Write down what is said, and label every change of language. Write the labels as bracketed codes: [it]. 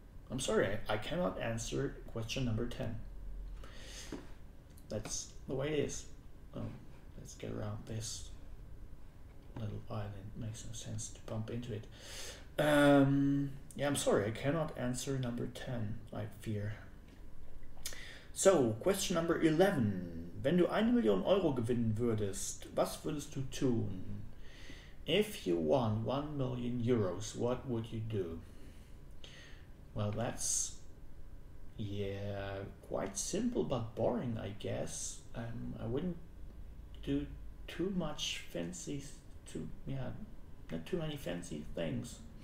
[en] I'm sorry, I cannot answer question number 10. That's the way it is. Let's get around this little island. Makes no sense to bump into it. I'm sorry, I cannot answer number 10, I fear. So, question number 11. [de] Wenn du 1 Million Euro gewinnen würdest, was würdest du tun? [en] If you won 1 million euros, what would you do? Well, that's Yeah, quite simple but boring, I guess. I wouldn't do too much fancy, not too many fancy things.